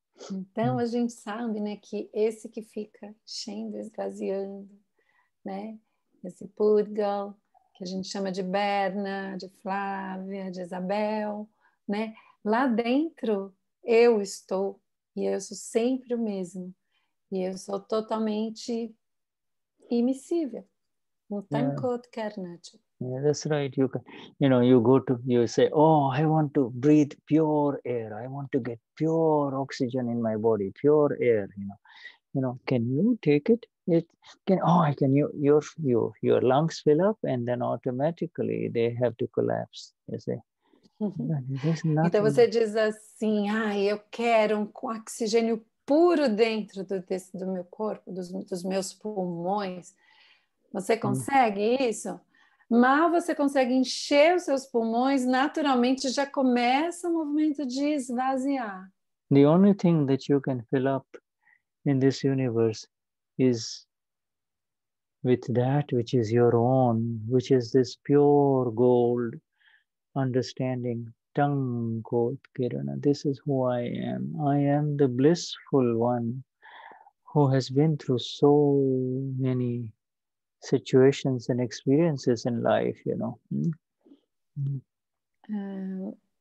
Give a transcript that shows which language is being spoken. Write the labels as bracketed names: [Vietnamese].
[Portuguese] Então a gente sabe, né, que esse que fica enchendo, esvaziando, né, esse Purgal, que a gente chama de Berna, de Flávia, de Isabel, né, lá dentro eu estou e eu sou sempre o mesmo e eu sou totalmente imissível. Tangkot kirna. [English] Yeah, that's right. You can, you know, you go to, you say, oh, I want to breathe pure air. I want to get pure oxygen in my body, pure air, you know. You know, can you take it? It can, oh, I can, your lungs fill up and then automatically they have to collapse, you see. [Portuguese] Então você diz assim, ai, eu quero oxigênio puro dentro do meu corpo, dos meus pulmões. Você consegue isso? Mal você consegue encher os seus pulmões, naturalmente já começa o movimento de esvaziar. [English] The only thing that you can fill up in this universe is with that which is your own, which is this pure gold understanding, tangkot kirna. This is who I am. I am the blissful one who has been through so many situations and experiences in life, you know.